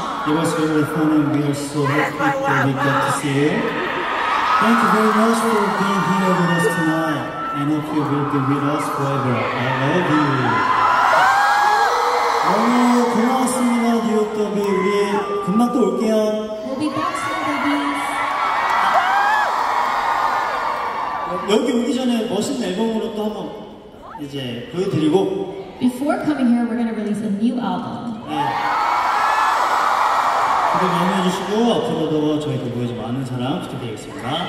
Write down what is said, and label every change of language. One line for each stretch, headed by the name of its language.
English: It was really fun and we are so happy that we got to see you. Thank you very much for being here with us tonight. And if you will be with us forever, I love you.
Korean: 오늘 고마웠습니다, 뉴욕 더비. 우리 금방 또 올게요.
English: We'll be back soon, babies.
Korean: 여기 오기 전에 멋있는 앨범으로 또 한번 이제 보여드리고.
English: Before coming here, we're going to release a new album.
Korean: 해주시고, 앞으로도 저희도 보여주 많은 사랑 부탁드리겠습니다.